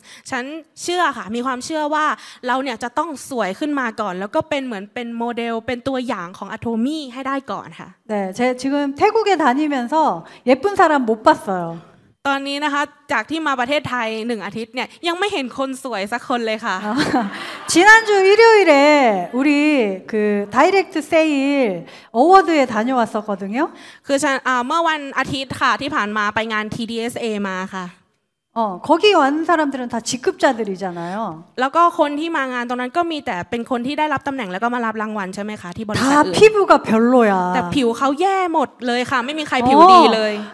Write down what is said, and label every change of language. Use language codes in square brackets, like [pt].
[th] ฉันเชื่อค่ะมีความเชื่อว่าเราเนี่ยจะต้องสวยขึ้นมาก่อนแล้วก็เป็นเหมือนเป็นโมเดลเป็นตัวอย่างของอโทมี่ให้ได้ก่อนค่ะ [ko] 네제가지금태국에다니면서예쁜사람못봤어요 [th] ตอนนี้นะคะจากที่มาประเทศไทย1อาทิตย์เนี่ยยังไม่เห็นคนสวยสักคนเลยค่ะ [ko] 지난주일요일에우리그다이렉트세일어워드에다녀왔었거든요 [th] คือฉันเมื่อวันอาทิตย์ค่ะที่ผ่านมาไปงาน TDSA มาค่ะ [ko] 거기온사람들은다직급자들이잖아요 [th] แล้วก็คนที่มางานตรงนั้นก็มีแต่เป็นคนที่ได้รับตําแหน่งแล้วก็มารับรางวัลใช่มั้ยคะที่บริษัท [ko] อื่นแต่피부가별로야 [th] แต่ผิวเขาแย่หมดเลยค่ะไม่มีใครผิวดีเลย